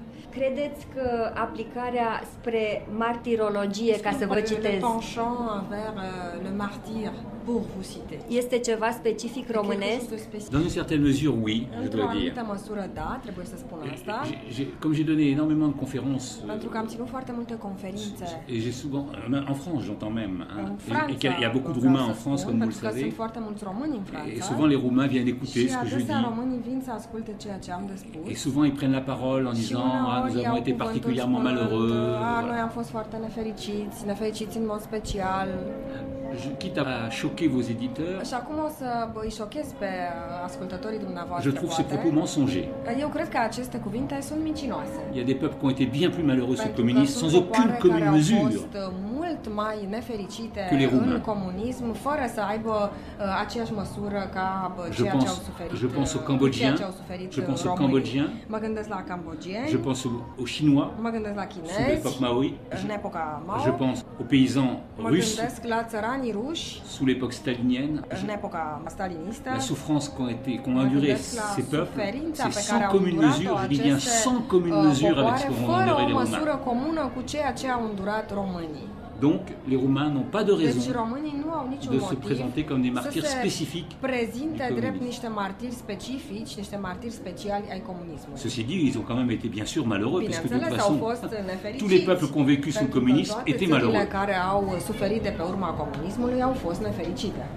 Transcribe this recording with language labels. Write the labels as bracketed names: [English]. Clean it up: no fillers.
[Romanian] Credeți că aplicarea spre martirologie, ca să vă citesc, [French] penchant vers le martyr pour vous citer. [Romanian] Este ceva specific românesc? [French] Dans une certaine mesure, oui, je dois dire. [Romanian] Într-o anumită măsură, da, trebuie să spun asta. [French] Comme j'ai donné énormément de conférences. [Romanian] Pentru că am ținut foarte multe conferințe. [French] Et j'ai souvent en France, j'entends même, hein, et il y a beaucoup de Roumains en France, comme vous le savez. [Romanian] Sunt foarte mulți români în Franța. [French] Et souvent les Roumains viennent écouter ce que je dis. [Romanian] Și românii vin să asculte ceea ce am de spus. [French] Et souvent ils prennent la parole en disant, ah, nous avons été particulièrement malheureux. [Romanian] Noi am fost foarte nefericiți, nefericiți în mod special. [French] Quitte à choquer vos éditeurs. [Romanian] Și acum o să îi șochez pe ascultătorii dumneavoastră. [French] Je trouve ces propos mensongers. [Romanian] Eu cred că aceste cuvinte sunt mincinoase. [French] Il y a des peuples qui ont été bien plus malheureux sous communisme sans aucune commune mesure. [Romanian] Au fost mult mai nefericite în comunism fără să aibă aceeași măsură ca ceea ce au suferit. [French] Je pense aux Cambodgiens. Je pense aux Cambodgiens. [Romanian] Mă gândesc la cambodgieni. [French] Je pense aux Chinois. [Romanian] Mă gândesc la chinezi. [French] Sous l'époque Mao. [Romanian] În epoca Mao. [French] Je pense aux paysans russes. [Romanian] Mă gândesc la țăranii ruși. [French] Sous l'époque stalinienne. [Romanian] În epoca stalinistă. [French] La souffrance qu'ont enduré ces peuples. C'est sans commune mesure, je dis bien sans commune mesure avec ce qu'ont enduré les Roumains. [Romanian] Fără o măsură comună cu ceea ce au îndurat românii. [French] Donc les Roumains n'ont pas de raison. [Romanian] Deci românii nu au niciun [French] motiv de se présenter comme des martyrs spécifiques. [Romanian] Prezintă drept niște martiri specifici, niște martiri speciali ai comunismului. [French] Ceci dit, ils ont quand même été bien sûr malheureux [Romanian] bine [French] parce que de toute façon tous les peuples qui ont vécu sous le communisme étaient malheureux. [Romanian] Toate țările care au suferit de pe urma comunismului au fost nefericite.